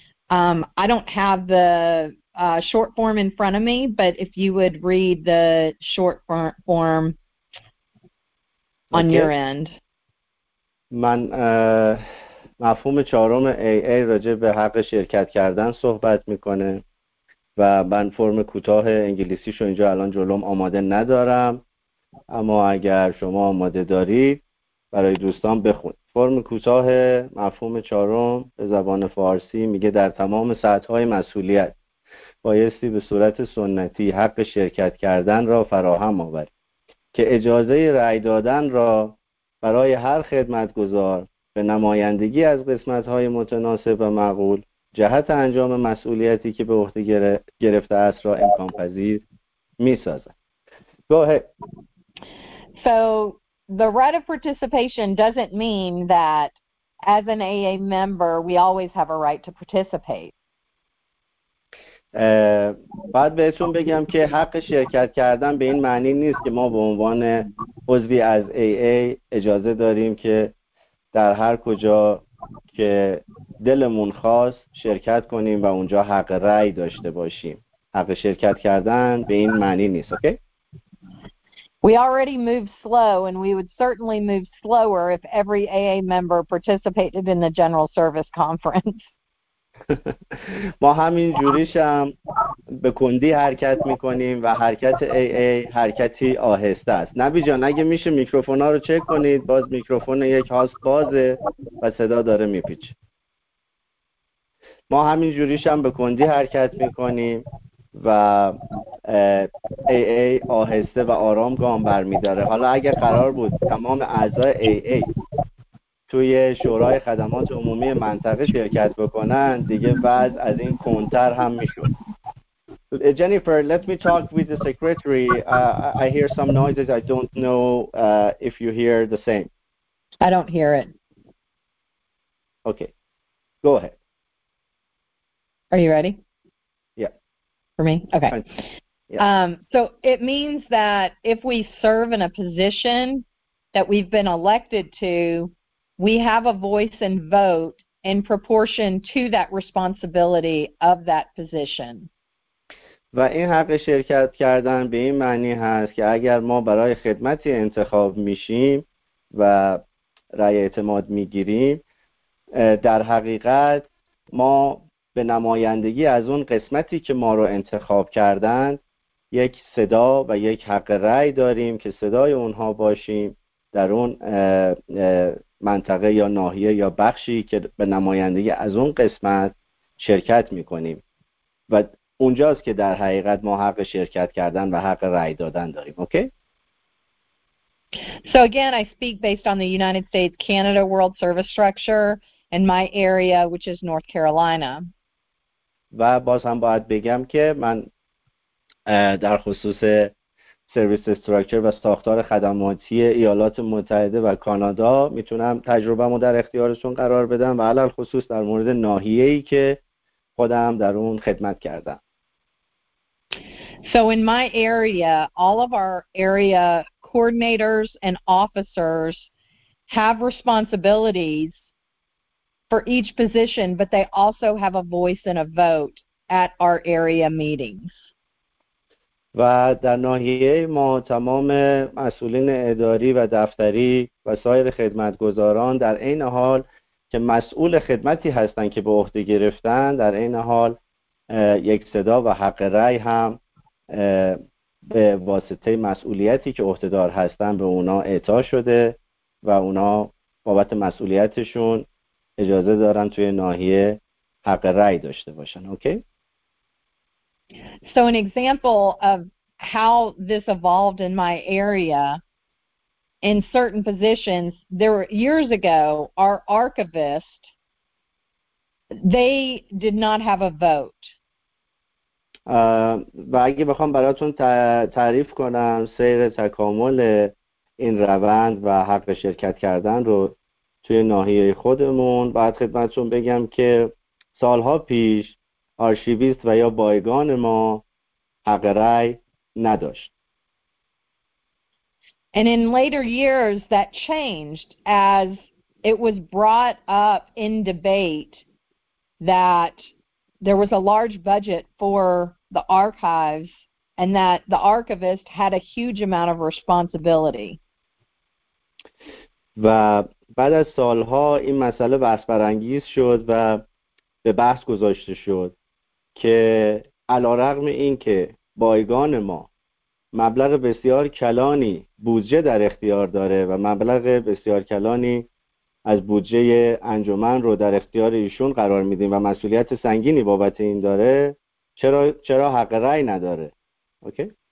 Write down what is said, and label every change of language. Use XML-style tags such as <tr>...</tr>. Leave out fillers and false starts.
<en>I don't have the short form in front of me, but if you would read the short form on your end.</en> <fa>من مفهوم چهارم AA راجع به حق شرکت کردن صحبت میکنه و من فرم کوتاه انگلیسیشو اینجا الان جلوم آماده ندارم، اما اگر شما آماده دارید برای دوستان بخونید. فرم کوتاه مفهوم چهارم به زبان فارسی میگه در تمام سطح‌های مسئولیت بایستی به صورت سنتی حق شرکت کردن را فراهم آورید که اجازه رأی دادن را برای هر خدمتگزار به نمایندگی از قسمت‌های متناسب و معقول جهت انجام مسئولیتی که به عهده گرفته است را امکان پذیر می‌سازد.</fa> <en>Go ahead. So the right of participation doesn't mean that as an AA member we always have a right to participate.</en> <fa>بعد بهتون بگم که حق شرکت کردن به این معنی نیست که ما به عنوان عضوی از AA اجازه داریم که در هر کجا که دلمون خواست شرکت کنیم و اونجا حق رأی داشته باشیم. حق شرکت کردن به این معنی نیست.</fa> <en>Okay? We already move slow and we would certainly move slower if every AA member participated in the General Service Conference.</en> <fa>ما همین جوریش هم به کندی حرکت میکنیم و حرکت AA حرکتی آهسته است. نبی جان اگه میشه میکروفونا رو چک کنید، باز میکروفون یک هاست بازه و صدا داره میپیچه. ما همین جوریش هم به کندی حرکت میکنیم و AA آهسته و آرام گام برمیداره. حالا اگه قرار بود تمام اعضای AA توی شورای خدمات عمومی منطقه شرکت بکنن، دیگه بعد از این کنتر هم میشود.</fa> <en>Jennifer, let me talk with the secretary. I hear some noises. I don't know if you hear the same. I don't hear it. Okay. Go ahead. Are you ready? Yeah. For me? Okay. Yeah. So it means that if we serve in a position that we've been elected to, we have a voice and vote in proportion to that responsibility of that position.</en> <fa>و این حق شرکت کردن به این معنی هست که اگر ما برای خدمتی انتخاب میشیم و رأی اعتماد میگیریم، در حقیقت ما به نمایندگی از اون قسمتی که ما رو انتخاب کردن یک صدا و یک حق رأی داریم که صدای اونها باشیم در اون منطقه یا ناحیه یا بخشی که به نمایندگی از اون قسمت شرکت میکنیم و اونجاست که در حقیقت ما حق شرکت کردن و حق رأی دادن داریم.</fa> <en>Okay? So again, I speak based on the United States Canada World Service Structure and my area, which is North Carolina.</en> <fa>و باز هم باید بگم که من در خصوص سرویس استراکچر و ساختار خدماتی ایالات متحده و کانادا میتونم تجربه‌مو در اختیارشون قرار بدم و علل خصوص در مورد ناحیه‌ای که خودم در اون خدمت کردم.</fa> <en>So in my area, all of our area coordinators and officers have responsibilities for each position, but they also have a voice and a vote at our area meetings.</en> <fa>و در ناحیه ما تمام مسئولین اداری و دفتری و سایر خدمتگزاران در این حال که مسئول خدمتی هستند که به عهده گرفتن، در این حال یک صدا و حق رأی هم به واسطه مسئولیتی که عهده‌دار هستند به اونا اعطا شده و اونا بابت مسئولیتشون اجازه دارن توی ناحیه حق رأی داشته باشن.</fa> <en>Okay? So an example of how this evolved in my area, in certain positions, there were years ago, our archivist, they did not have a vote.</en> <fa>و اگه بخوام براتون تعریف کنم سیر تکامل این روند و حق شرکت کردن رو توی ناحیه خودمون، بعد خدمتتون بگم که سالها پیش آرشیویست و یا بایگان ما حق رأی نداشت.</fa> <en>And in later years that changed as it was brought up in debate that there was a large budget for the archives and that the archivist had a huge amount of responsibility.</en> <fa>و بعد از سالها این مسئله بحث برانگیز شد و به بحث گذاشته شد که علارغم این که بایگان ما مبلغ بسیار کلانی بودجه در اختیار داره و مبلغ بسیار کلانی از بودجه انجمن رو در اختیار ایشون قرار میدیم و مسئولیت سنگینی بابت این داره، چرا حق رأی نداره؟ اوکی؟</fa>